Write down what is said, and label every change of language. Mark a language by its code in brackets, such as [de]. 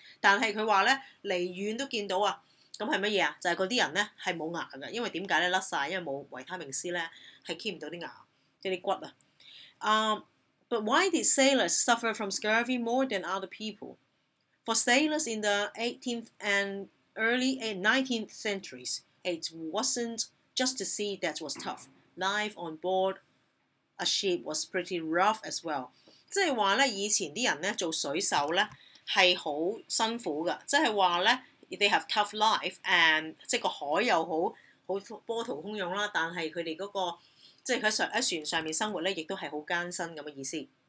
[yue] 但係佢話咧，離遠都見到啊。咁係乜嘢啊？就係嗰啲人咧係冇牙嘅，因為點解咧甩曬？因為冇維他命 C 咧，係 keep 唔到啲牙，即係啲骨啊。 [en] But why did sailors suffer from scurvy more than other people? For sailors in the 18th and early 19th centuries, it wasn't just the sea that was tough. Life on board a ship was pretty rough as well. [yue] 即係話咧，以前啲人咧做水手咧係好辛苦噶。即係話咧 ， [en] they have tough life and [yue] 即係個海又好波濤洶湧啦。但係佢哋嗰個即係喺船上面生活咧，亦都係好艱辛咁嘅意思。